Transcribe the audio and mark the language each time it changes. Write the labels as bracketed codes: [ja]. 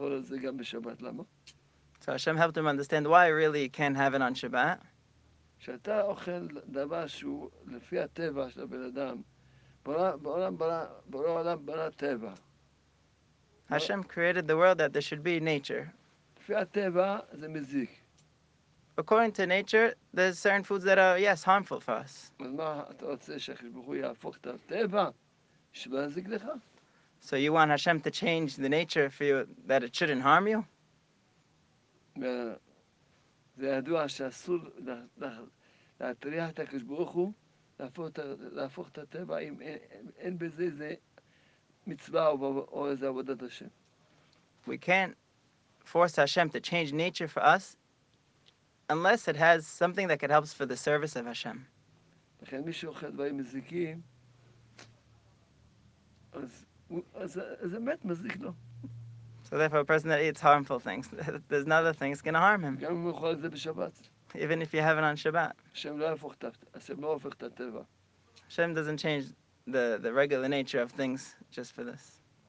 [en] So Hashem helped him understand why really he can't have it on Shabbat. [he] כשאתה אוכל דבר שהוא לפי הטבע של הבן אדם, בורא העולם ברא טבע. [en] Hashem created the world that there should be nature. [he] לפי הטבע זה מזיק. [en] According to nature, there's certain foods that are, yes, harmful for us. [he] אז מה אתה רוצה שהקדוש ברוך הוא יהפוך את הטבע שלא יזיק לך? [en] So you want Hashem to change the nature for you that it shouldn't harm you? [he] זה ידוע שאסור להטריח את הקדוש ברוך הוא להפוך את הטבע אם אין בזה איזה מצווה או איזה עבודת השם. [en] We can't force Hashem to change nature for us unless it has something that could help us for the service of Hashem. [he] לכן מי שאוכל דברים מזיקים, אז באמת מזיק לו. [en] So therefore, a person that eats harmful things, there's another thing that's going to harm him. Even if you have it on Shabbat. Hashem doesn't change the regular nature of things just for this.